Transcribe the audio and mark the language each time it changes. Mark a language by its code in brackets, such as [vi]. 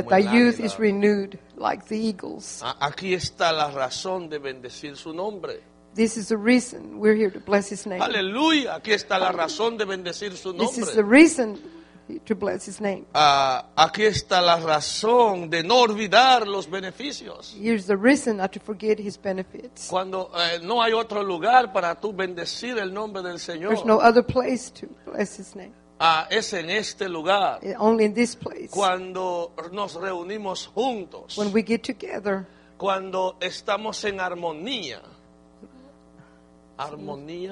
[en] that thy youth is renewed like the eagles. [es] Aquí está la razón de bendecir su nombre. [en] This is the reason we're here to bless his name. [es] Aleluya, aquí está la razón de bendecir su nombre. [en] This is the reason to bless his name. [es] Aquí está la razón de no olvidar los beneficios. [en] Here's the reason not to forget his benefits. [es] Cuando no hay otro lugar para tú bendecir el nombre del Señor. [en] There's no other place to bless his name. [es] Es en este lugar. [en] Only in this place. [es] Cuando nos reunimos juntos. [en] When we get together. [es] Cuando estamos en armonía. Armonía.